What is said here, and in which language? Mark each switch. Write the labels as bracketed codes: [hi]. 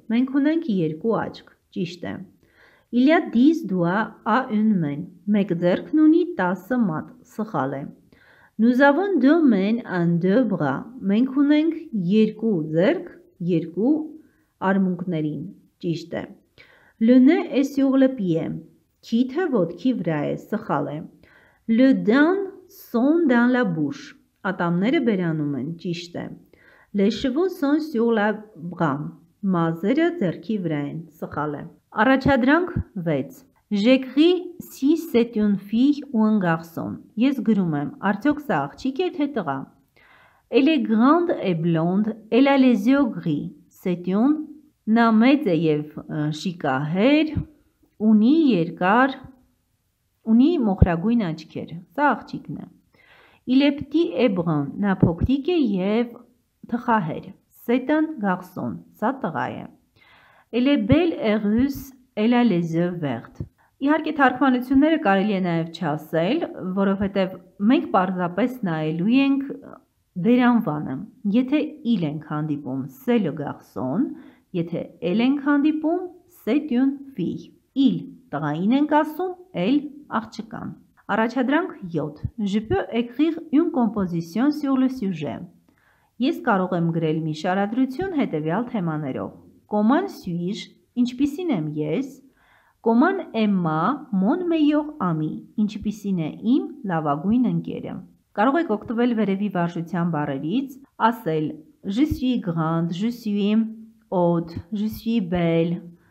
[hy] Մենք ունենք երկու աչք, ճիշտ է. [fr] Il y a 10 doigts à une main. [hy] Մեկ ձեռքն ունի 10 մատ, սխալ է. [fr] Nous avons deux mains and deux bras. [hy] Մենք ունենք երկու ձեռք, երկու արմունկներին, ճիշտ է. [fr] Le nez est sur le pied. [hy] Քիթը ոտքի վրա է, սխալ է. [fr] Le dent sont dans la bouche. [hy] Ատամները բերանում են, ճիշտ է. [fr] Les chevaux sont sur la brame. [hy] Մազերը ձեռքի վրա են, սխալ է. Առաջադրանք 6. [fr] J'écris si c'est une fille ou un garçon. [hy] Ես գրում եմ, արդյոք սա աղջիկ է թե տղա. [fr] Elle est grande et blonde, elle a les yeux gris. C'est une. [hy] Նա մեծ է եւ շիկահեր, ունի երկար, ունի մոխրագույն աչքեր, սա աղջիկն է. [fr] Il est petit et brun. [hy] Նա փոքրիկ է եւ թխահեր, սետան գախսոն, սա տղա է, [fr] elle est belle et russe, elle a les yeux verts. [hy] Իհարկե թարգմանությունները կարելի է նաև չասել, որովհետև մենք պարզապես նայելու ենք վերանվանը, եթե իլ ենք հանդիպում, սելը գախսոն, եթե էլ ենք հանդիպում, սետյուն վի, իլ տղային ենք ասում, էլ աղջկան. Առաջադրանք 7. [fr] Je peux écrire une composition sur le sujet. [hy] Ես կարող եմ գրել մի շարադրություն հետևյալ թեմաներով. [fr] Comment suis-je? [hy] Ինչպիսին եմ ես? [fr] Comment Emma mon meilleur ami? [hy] Ինչպիսին է իմ լավագույն ընկերը? Կարող եք օգտվել վերևի վարժության բառերից, ասել [fr] Je suis grande, je suis haute, je suis belle.